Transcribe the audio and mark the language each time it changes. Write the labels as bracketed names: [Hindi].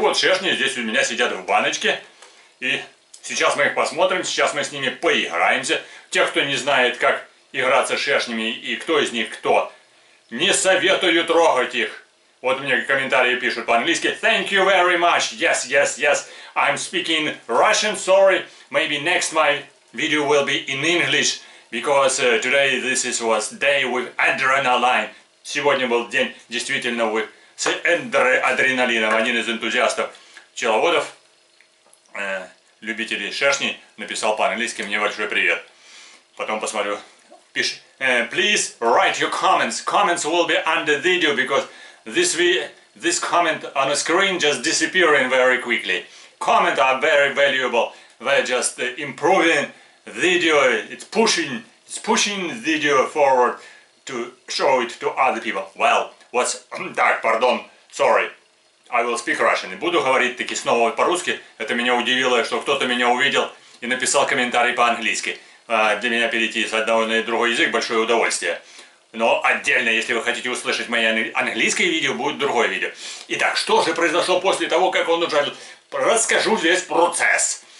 [Russian] Вот шершни здесь у меня сидят в баночке. И сейчас мы их посмотрим, сейчас мы с ними поиграемся. Те, кто не знает, как играться с шершнями и кто из них кто, не советую трогать их. Вот мне комментарии пишут по-английски. [English] Thank you very much. Yes. I'm speaking Russian, sorry. Maybe next my video will be in English. Because today this was day with adrenaline. [Russian] Сегодня был день действительно с адреналином. Один из энтузиастов пчеловодов, любителей шершней, написал по-английски мне большой привет. Потом посмотрю. Пиши. [English] Please write your comments. Comments will be under video because this comment on a screen just disappearing very quickly. Comments are very valuable. They're just improving video, it's pushing video forward to show it to other people. Well, what's так, pardon, sorry, I will speak Russian. [Russian] Буду говорить таки снова по-русски. Это меня удивило, что кто-то меня увидел и написал комментарий по-английски. Для меня перейти с одного на другой язык — большое удовольствие. Но отдельно, если вы хотите услышать мои английское видео, будет другое видео. Итак, что же произошло после того, как он ужалил? Расскажу весь процесс.